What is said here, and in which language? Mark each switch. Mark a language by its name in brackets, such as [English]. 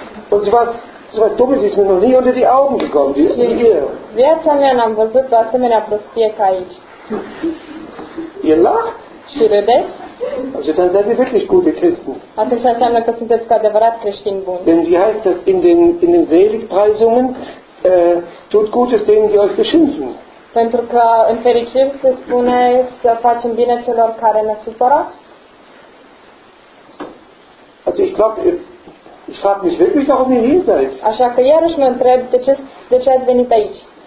[German] Und so was Dummes ist mir noch nie unter die Augen gekommen, wie ist nicht hier. [Romanian] Viața mea n-am văzut o asemenea prostie ca aici. [German] Ihr lacht? [Romanian] Și râdeți? [German] Also dann seid ihr wirklich gute Christen. [Romanian] Atunci înseamnă că sunteți cu adevărat creștini buni. [German] Denn wie heißt das in den Seligpreisungen? Tut Gutes denen, die euch beschimpfen. [Romanian] Pentru că în fericire se spune să facem bine celor care ne supără. [German] Also ich glaube, ich frage mich wirklich, warum ihr hier seid. [Romanian] Așa că iarăși mă întreb de ce ați venit aici.